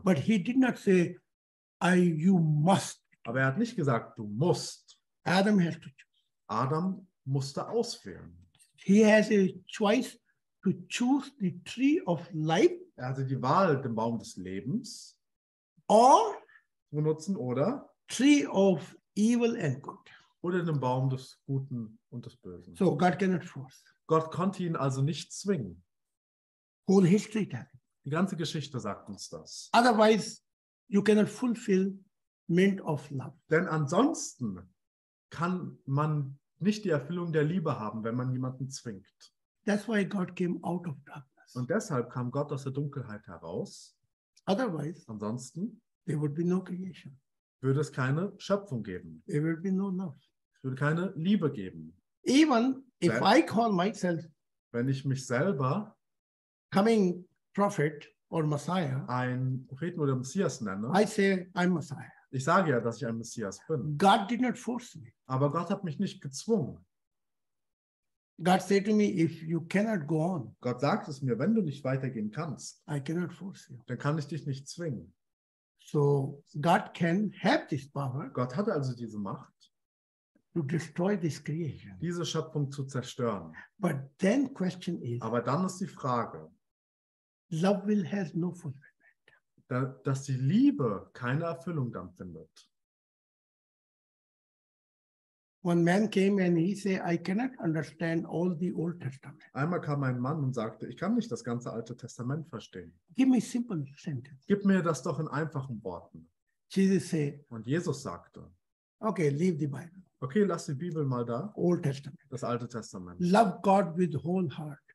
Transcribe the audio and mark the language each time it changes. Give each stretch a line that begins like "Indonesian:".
English: But he did not say, I, you must.
German: Aber er hat nicht gesagt, du musst.
English: Adam has to choose.
German: Adam musste auswählen.
English: He has a choice to choose the tree of life.
German: Er hatte die Wahl, den Baum des Lebens
English: or
German: zu benutzen oder
English: tree of evil and good.
German: Oder den Baum des Guten und des Bösen.
English: So God cannot force.
German: Gott konnte ihn also nicht zwingen.
English: Whole history,
German: die ganze Geschichte sagt uns das.
English: Otherwise, you cannot fulfill meant of love.
German: Denn ansonsten kann man nicht die Erfüllung der Liebe haben, wenn man jemanden zwingt.
English: That's why God came out of darkness.
German: Und deshalb kam Gott aus der Dunkelheit heraus.
English: Otherwise,
German: ansonsten
English: there would be no creation.
German: Würde es keine Schöpfung geben.
English: There will be no love.
German: Es würde keine Liebe geben.
English: Even if I call myself,
German: wenn ich mich selber
English: coming prophet or Messiah,
German: ein Propheten oder Messias nenne,
English: I say I'm Messiah.
German: Ich sage ja, dass ich ein Messias bin.
English: God did not force me.
German: Aber Gott hat mich nicht gezwungen.
English: God said to me, if you cannot go on,
German: Gott sagt es mir, wenn du nicht weitergehen kannst,
English: I cannot force you.
German: Dann kann ich dich nicht zwingen.
English: So God can have this power.
German: Gott hat also diese Macht,
English: to destroy this creation.
German: Diese Schöpfung zu zerstören.
English: But then question is,
German: aber dann ist die Frage,
English: love will have no fulfillment.
German: Dass die Liebe keine Erfüllung dann findet.
English: One man came and he said, I cannot understand all the Old Testament.
German: Einmal kam ein Mann und sagte, ich kann nicht das ganze Alte Testament verstehen.
English: Give me simple sentence.
German: Gib mir das doch in einfachen Worten.
English: Jesus said,
German: und Jesus sagte,
English: okay, leave the Bible.
German: Okay, lass die Bibel mal da.
English: Old Testament.
German: Das Alte Testament.
English: Love God with whole heart.